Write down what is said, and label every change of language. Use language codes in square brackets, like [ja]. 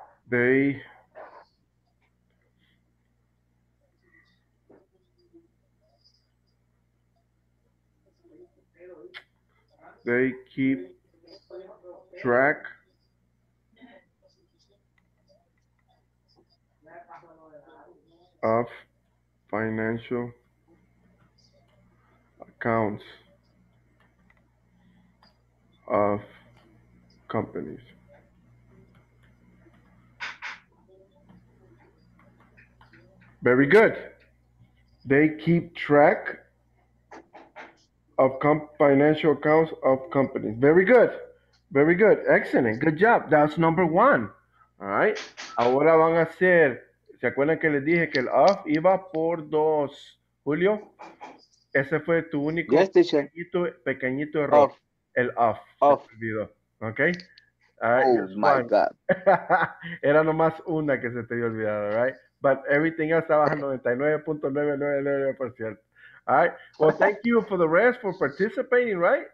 [en] They keep track of financial accounts of companies. Very good. They keep track of financial accounts of companies. Very good. Very good. Excellent. Good job. That's number one. All right. [es] Ahora van a hacer, ¿se acuerdan que les dije que el of iba por dos? Julio, ese fue tu único pequeñito error. [en] Off. [es] El of. [en] Of. Okay. All right. Oh, my one. God. [es] Era nomás una que se te había olvidado. [en] All right. But everything else estaba 99.999%. All right. Well, thank you for the rest for participating, right?